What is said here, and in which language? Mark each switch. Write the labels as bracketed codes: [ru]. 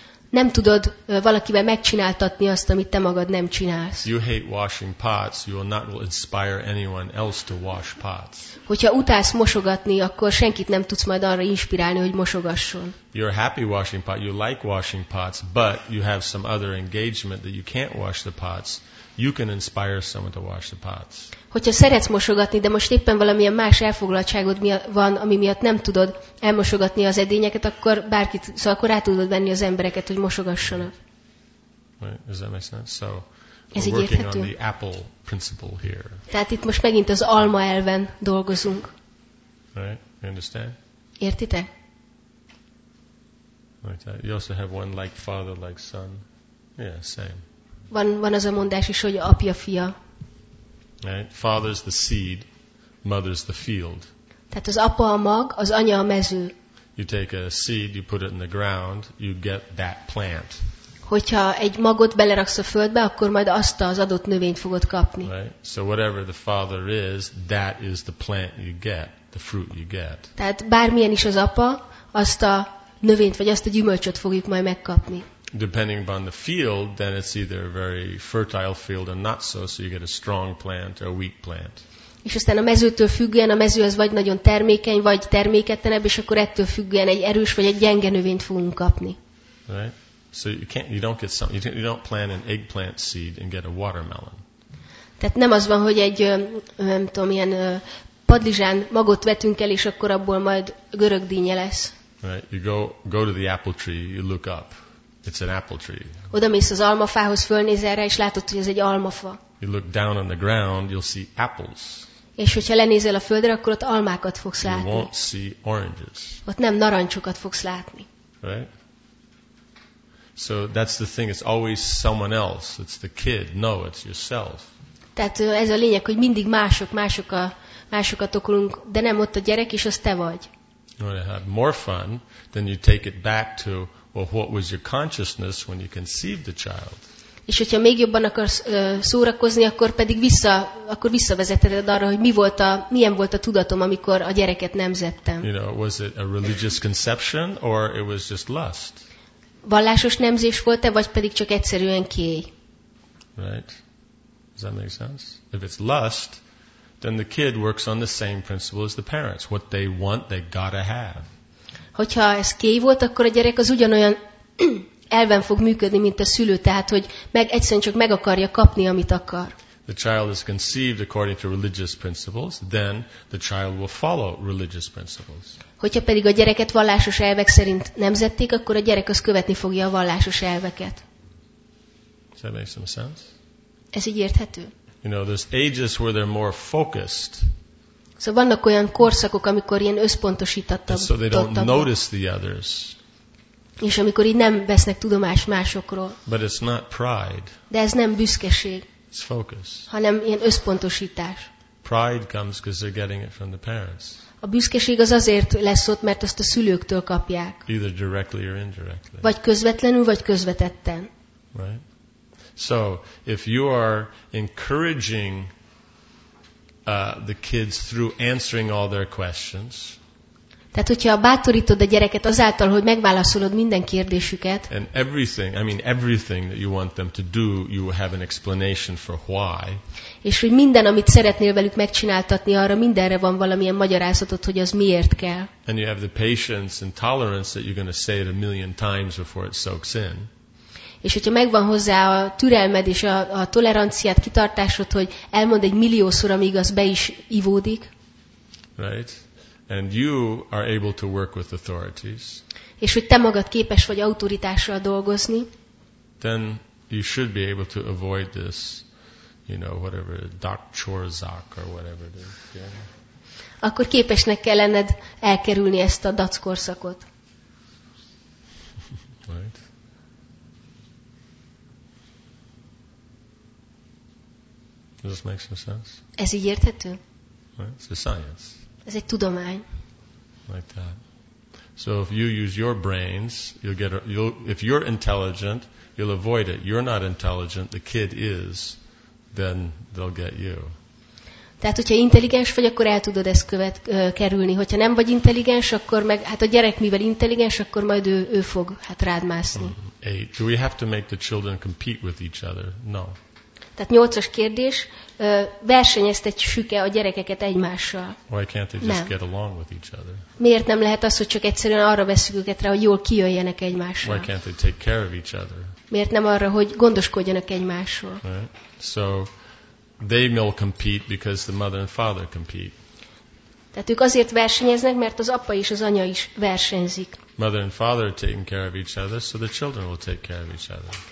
[hu] Nem tudod valakivel megcsináltatni azt, amit te magad nem csinálsz. [en] You hate washing pots, you will not inspire anyone else to wash pots. [hu] Hogyha utálsz mosogatni, akkor senkit nem tudsz majd arra inspirálni, hogy mosogasson. [en] You're happy washing pots, you like washing pots, but you have some other engagement that you can't wash the pots. You can inspire someone to wash the pots. [hu] Hogyha szeretsz mosogatni, de most éppen valamilyen más elfoglaltságod van, ami miatt nem tudod elmosogatni az edényeket, akkor bárkit, szóval akkor rá tudod venni az embereket, hogy mosogassanak. [en] Right. Does that make sense? So [hu] Ez így érthető. [en] Working on the apple principle here. [hu] Tehát itt most megint az alma elven dolgozunk. [en] Right? You understand? [hu] Értitek? [en] Right. You also have one like father, like son. Yeah, same. [hu] Van az a mondás is, hogy apja, fia. [en] Right? Father's the seed, mother's the field. [hu] Tehát az apa a mag, az anya a mező. [en] You take a seed, you put it in the ground, you get that plant. [hu] Hogyha egy magot beleraksz a földbe, akkor majd azt az adott növényt fogod kapni. [en] Right? So whatever the father is, that is the plant you get, the fruit you get. [hu] Tehát bármilyen is az apa, azt a növényt vagy azt a gyümölcsöt fogjuk majd megkapni. [en] Depending upon the field, then it's either a very fertile field or not so, so you get a strong plant or a weak plant. [hu] És aztán a mezőtől függően a mező az vagy nagyon termékeny, vagy terméketlenebb, és akkor ettől függően egy erős vagy egy gyenge növényt fogunk kapni. [en] Right? So you don't plant an eggplant seed and get a watermelon. [hu] Tehát nem az van, hogy egy nem tudom, ilyen padlizsán magot vetünk el, és akkor abból majd görögdínye lesz. [en] Right? You go to the apple tree, you look up. It's an apple tree. [hu] Oda mész az almafához, fölnézel rá, és látod, hogy ez egy almafa. [en] You look down on the ground, you'll see apples. [hu] És hogyha lenézel a földre, akkor ott almákat fogsz látni. [en] You won't see oranges. [hu] Ott nem narancsokat fogsz látni. [en] Right? So that's the thing, it's always someone else. It's the kid. No, it's yourself. [hu] Tehát ez a lényeg, hogy mindig másokat okolunk, de nem ott a gyerek, és az te vagy. [en] You want to have more fun, then you take it back to, well, what was your consciousness when you conceived the child? [hu] És hogyha még jobban akarsz szórakozni, akkor pedig visszavezeted arra, hogy milyen volt a tudatom, amikor a gyereket nemzettem. [en] You know, was it a religious conception, or it was just lust? [hu] Vallásos nemzés volt-e, vagy pedig csak egyszerűen kéj? [en] Right. Does that make sense? If it's lust, then the kid works on the same principle as the parents. What they want, they gotta have. [hu] Hogyha ez kéj volt, akkor a gyerek az ugyanolyan elven fog működni, mint a szülő, tehát hogy meg egyszerűen csak meg akarja kapni, amit akar. [en] The child is conceived according to religious principles, then the child will follow religious principles. [hu] Hogyha pedig a gyereket vallásos elvek szerint nemzették, akkor a gyerek az követni fogja a vallásos elveket. [en] Does that make some sense? [hu] Ez így érthető? [en] You know, there's ages where they're more focused. [hu] Szóval vannak olyan korszakok, amikor ilyen összpontosítottabb. [en] So they don't notice the others. [hu] És amikor így nem vesznek tudomást másokról. [en] But it's not pride. [hu] De ez nem büszkeség. [en] It's focus. [hu] Hanem ilyen összpontosítás. [en] Pride comes because they're getting it from the parents. [hu] A büszkeség az azért lesz ott, mert azt a szülőktől kapják. [en] Either directly or indirectly. [hu] Vagy közvetlenül, vagy közvetetten. [en] Right? So, if you are encouraging the kids through answering all their questions. [hu] Tehát hogyha bátorítod a gyereket azáltal, hogy megválaszolod minden kérdésüket. [en] And everything, I mean everything that you want them to do, you have an explanation for why. [hu] És hogy minden, amit szeretnél velük megcsináltatni, arra mindenre van valamilyen magyarázatot, hogy az miért kell. [en] And you have the patience and tolerance that you're going to say it a million times before it soaks in. [hu] És hogyha megvan hozzá a türelmed és a toleranciát, kitartásod, hogy elmond egy milliószor, amíg az be is ivódik. [en] Right? And you are able to work with authorities. [hu] És hogy te magad képes vagy autoritással dolgozni. [en] Then you should be able to avoid this, you know, whatever, Dr. Chorzak or whatever it is. Yeah. [hu] Akkor képesnek kell lenned elkerülni ezt a dac korszakot. [en] Right? Does this make some sense? [hu] Ez így érthető? [en] Right? It's a science. [hu] Ez egy tudomány. [en] Like that. So if you use your brains, if you're intelligent, you'll avoid it. You're not intelligent, the kid is, then they'll get you. [hu] Tehát, hogyha intelligens vagy, akkor el tudod ezt kerülni. Hogyha nem vagy intelligens, akkor meg, hát a gyerek mivel intelligens, akkor majd ő fog hát rád mászni. [en] Do we have to make the children compete with each other? No. [hu] Tehát nyolcas kérdés, versenyeztetjük-e a gyerekeket egymással? [en] Why can't they just [hu] nem. [en] Get along with each other? [hu] Miért nem lehet az, hogy csak egyszerűen arra veszük őket rá, hogy jól kijöjjenek egymással? [en] Why can't they take care of each other? [hu] Miért nem arra, hogy gondoskodjanak egymásról? [en] Right. So they will compete because the mother and father compete. [hu] Tehát ők azért versenyeznek, mert az apa és az anya is versenyzik. [en] Mother and father are taking care of each other, so the children will take care of each other.